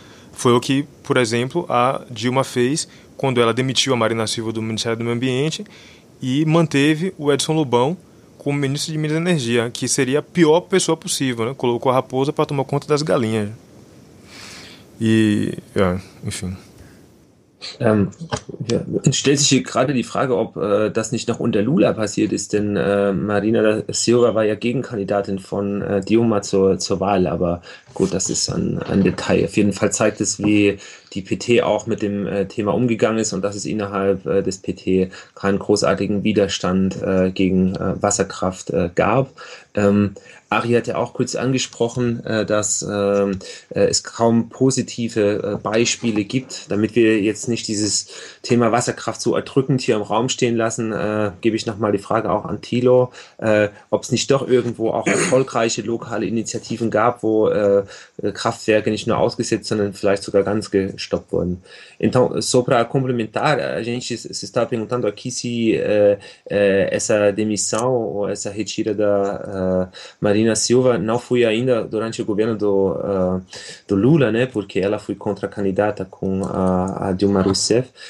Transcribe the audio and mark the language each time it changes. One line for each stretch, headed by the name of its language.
Portuguese: Foi o que, por exemplo, a Dilma fez quando ela demitiu a Marina Silva do Ministério do Meio Ambiente e manteve o Edson Lobão como ministro de Minas e Energia, que seria a pior pessoa possível, né? Colocou a raposa para tomar conta das galinhas. E, ja, enfim.
German: Es stellt sich hier gerade die Frage, ob das nicht noch unter Lula passiert ist, denn Marina da Silva war ja Gegenkandidatin von Dilma zur Wahl, aber gut, das ist ein Detail. Auf jeden Fall zeigt es, wie die PT auch mit dem Thema umgegangen ist und dass es innerhalb des PT keinen großartigen Widerstand gegen Wasserkraft gab. Ari hat ja auch kurz angesprochen, dass es kaum positive Beispiele gibt. Damit wir jetzt nicht dieses Thema Wasserkraft so erdrückend hier im Raum stehen lassen, gebe ich nochmal die Frage auch an Thilo, ob es nicht doch irgendwo auch erfolgreiche lokale Initiativen gab, wo Kraftwerke nicht nur ausgesetzt, sondern vielleicht sogar ganz gestoppt wurden.
Portuguese: Então, só para complementar, a gente se está perguntando aqui se essa demissão ou essa retira da Marina Silva não foi ainda durante o governo do Lula, né? Porque ela foi contra-candidata com a Dilma Rousseff.